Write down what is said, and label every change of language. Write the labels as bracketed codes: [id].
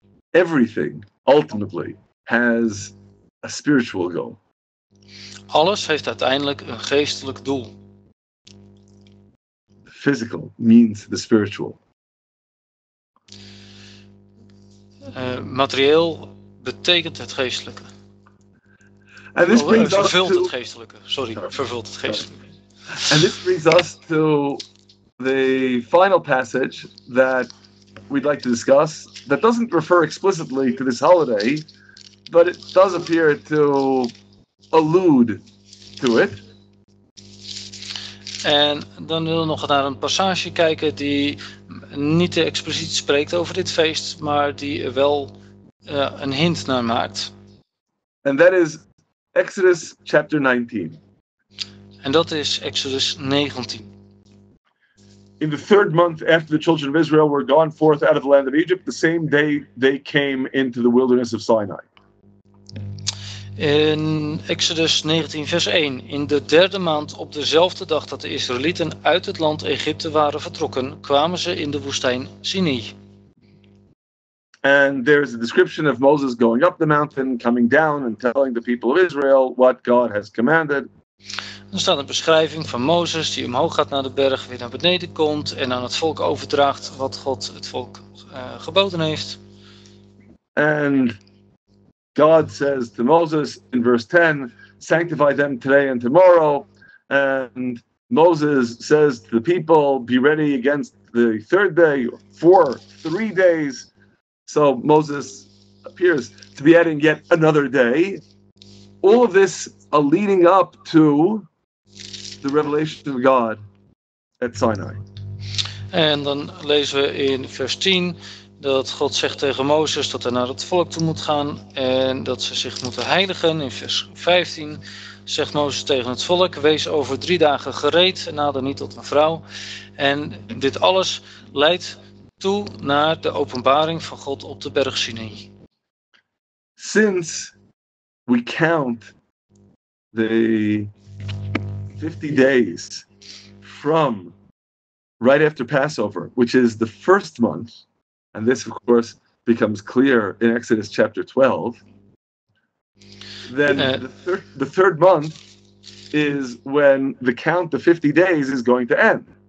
[en] Everything ultimately has a spiritual goal. [nl] Alles heeft uiteindelijk een geestelijk doel. [en] The physical means the spiritual. [nl] Materieel betekent het geestelijke. [en] And this brings [nl] vervult [en] us to... [nl] het geestelijke. Sorry, vervult het geestelijke. [en] And this brings us to the final passage that we'd like to discuss. That doesn't refer explicitly to this holiday, but it does appear to allude to it. [nl] En dan willen we nog naar een passage kijken die niet te expliciet spreekt over dit feest, maar die er wel een hint naar maakt. [en] And that is Exodus chapter 19. [nl] En dat is Exodus 19. [en] In the third month after the children of Israel were gone forth out of the land of Egypt, the same day they came into the wilderness of Sinai. [nl] In Exodus 19 vers 1. In de derde maand, op dezelfde dag dat de Israëlieten uit het land Egypte waren vertrokken, kwamen ze in de woestijn Sinai. [en] And there is a description of Moses going up the mountain, coming down and telling the people of Israel what God has commanded. [nl] Er staat een beschrijving van Mozes die omhoog gaat naar de berg, weer naar beneden komt en aan het volk overdraagt wat God het volk geboden heeft. [en] And God says to Moses in verse 10, sanctify them today and tomorrow. And Moses says to the people, be ready against the third day for 3 days. So Moses appears to be adding yet another day all of this leading up to the revelation of God at Sinai. [nl] En dan lezen we in vers 10 dat God zegt tegen Mozes dat hij naar het volk toe moet gaan en dat ze zich moeten heiligen. In vers 15 zegt Mozes tegen het volk: wees over 3 dagen gereed, nader niet tot een vrouw. En dit alles leidt toe naar de openbaring van God op de berg Sinai. [en] Since we count the 50 days from right after Passover, which is the first month, and this of course becomes clear in Exodus chapter 12, then the third month is when the count, the 50 days, is going to end.